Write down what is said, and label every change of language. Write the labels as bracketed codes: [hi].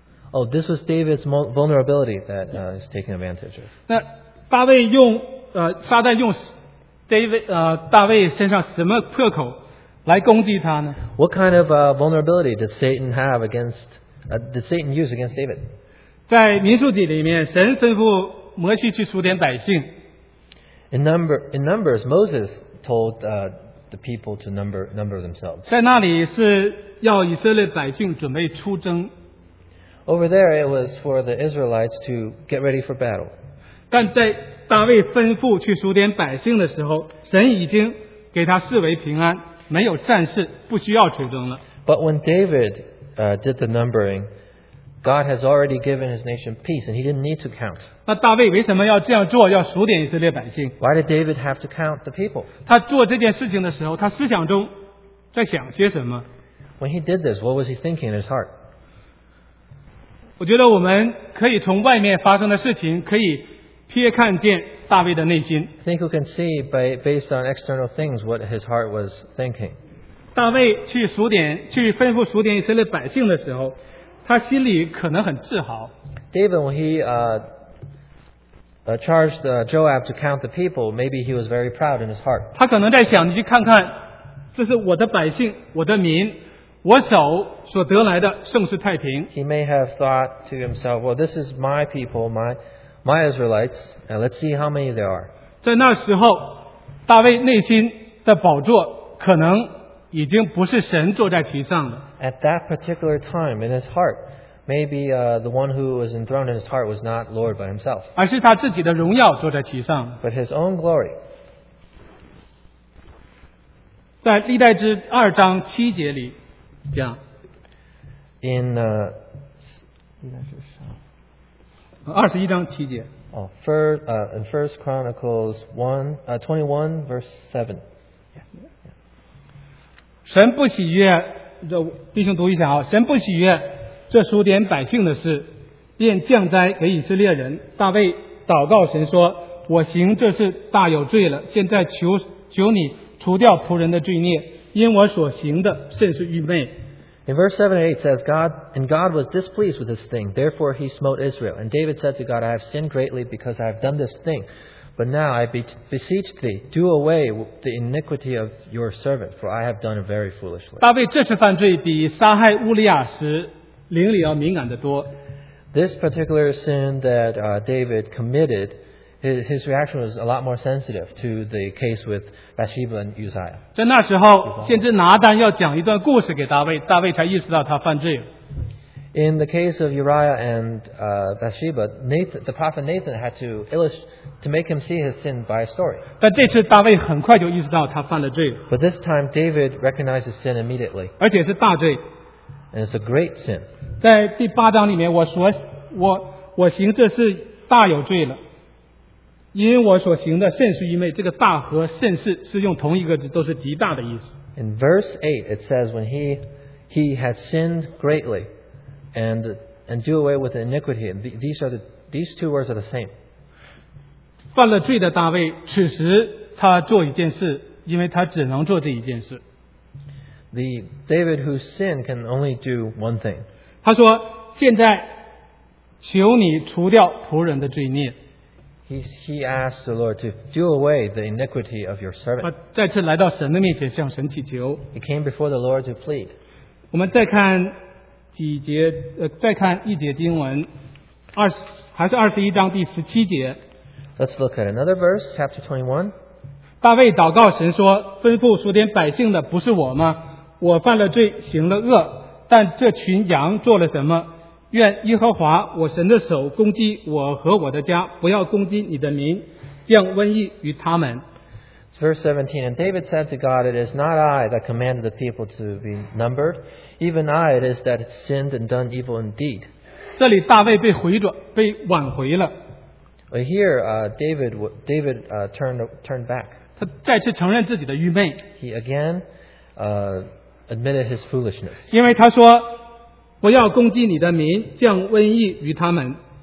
[en] Oh, this was David's vulnerability that is taken advantage of. [zh] 那大卫用撒旦用 David 大卫身上什么破口来攻击他呢 [en] ？What kind of vulnerability did Satan have against? Did Satan use against David? [zh] 在民数记里面，神吩咐摩西去数点百姓。 [en] In Numbers, Moses told the people to number themselves. [zh] 在那里是要以色列百姓准备出征。 [en] Over there, it was for the Israelites to get ready for battle. [zh] 但在大卫吩咐去数点百姓的时候，神已经给他视为平安，没有战事，不需要出征了。 [en] But when David did the numbering, God has already given his nation peace, and he didn't need to count. [zh] 那大卫为什么要这样做，要数点以色列百姓 [en] ？Why did David have to count the people? [zh] 他做这件事情的时候，他思想中在想些什么 [en] ？When he did this, what was he thinking in his heart? [zh] 我觉得我们可以从外面发生的事情可以瞥看见大卫的内心。 [en] I think we can see based on external things what his heart was thinking. [zh] 大卫去数点去吩咐数点以色列百姓的时候，他心里可能很自豪。 [en] David, when he charged Joab to count the people, maybe he was very proud in his heart. [zh] 他可能在想，你去看看，这是我的百姓，我的民。我手所得来的盛世太平。 [en] He may have thought to himself, "Well, this is my people, my Israelites, and let's see how many there are." [zh] 在那时候，大卫内心的宝座可能已经不是神坐在其上了。 [en] At that particular time in his heart, maybe the one who was enthroned in his heart was not Lord but himself. [zh] 而是他自己的荣耀坐在其上。 [en] But his own glory. [zh] 在历代志二章七节里。 [en] In [zh] 21章七节。 [en] In 1 Chronicles 21 verse 7。 [zh] 神不喜悦，这弟兄读一下啊，神不喜悦这数点百姓的事，便降灾给以色列人。大卫祷告神说：“我行这事大有罪了，现在求你除掉仆人的罪孽，因我所行的甚是愚昧。” [en] In verse 7 and 8 says, God was displeased with this thing, therefore he smote Israel. And David said to God, I have sinned greatly because I have done this thing. But now I beseech thee, do away the iniquity of your servant, for I have done it very foolishly. [zh] 大卫这次犯罪比杀害乌利亚时灵里要敏感得多。 [en] This particular sin that David committed, his reaction was a lot more sensitive to the case with Bathsheba and Uzziah. [zh] 在那时候，先知拿单要讲一段故事给大卫，大卫才意识到他犯罪了。 [en] In the case of Uriah and Bathsheba, the prophet Nathan had to make him see his sin by a story. [zh] 但这次大卫很快就意识到他犯了罪了。 [en] But this time David recognized his sin immediately. [zh] 而且是大罪。 [en] And it's a great sin. [zh] 在第八章里面，我行这事大有罪了。因为我所行的甚是愚昧，这个大和甚是是用同一个字，都是极大的意思。 [en] In verse 8 it says when he has sinned greatly and do away with iniquity, these two words are the same. [zh] 犯了罪的大卫，此时他做一件事，因为他只能做这一件事。 [en] The David who sinned can only do one thing. [zh] 他说，现在求你除掉仆人的罪孽。 [en] He asked the Lord to do away the iniquity of your servant. [zh] 他再次来到神的面前向神祈求。 [en] He came before the Lord to plead. [zh] 我们再看几节，再看一节经文，21章第十七节。 [en] Let's look at another verse, chapter 21. [zh] 大卫祷告神说：“吩咐数点百姓的不是我吗？我犯了罪，行了恶，但这群羊做了什么？” 愿耶和华我神的手攻击我和我的家，不要攻击你的民，降瘟疫于他们。 [en] Verse 17, and David said to God, "It is not I that commanded the people to be numbered; even I it is that sinned and done evil indeed." [zh] 这里大卫被回转，被挽回了。 [en] Here, David turned back. [zh] 他再次承认自己的愚昧。 [en] He again, admitted his foolishness. [zh] 因为他说。不要攻击你的民，降瘟疫于他们。